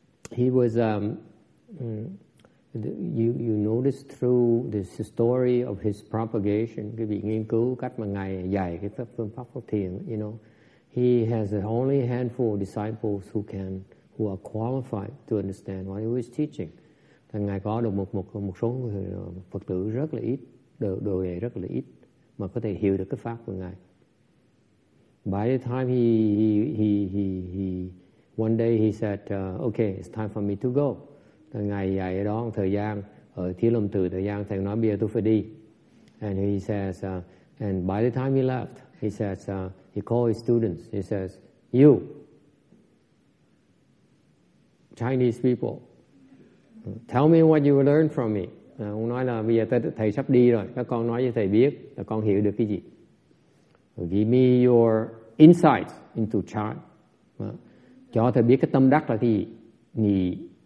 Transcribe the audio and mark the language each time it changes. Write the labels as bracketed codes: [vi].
[en] he was you notice through this story of his propagation, [vi] cái việc nghiên cứu cách mà ngài dạy cái pháp phương pháp phát thiền, [en] you know, he has only a handful of disciples who are qualified to understand what he was teaching. [vi] Thành ngài có được một số người Phật tử rất là ít, đồ đệ rất là ít mà có thể hiểu được cái pháp của ngài. [en] By the time he one day he said, okay, it's time for me to go. [vi] Thành ngài dạy ở đó một thời gian ở Thiền Lâm Tự, thời gian thầy nói bây giờ tôi phải đi. [en] And he says, and by the time he left, he says, he called his students. He says, you Chinese people, tell me what you learned from me. [vi] Ông nói là bây giờ thầy sắp đi rồi, các con nói cho thầy biết là con hiểu được cái gì. [en] Give me your insights into chan. [vi] Cho thầy biết cái tâm đắc là cái gì.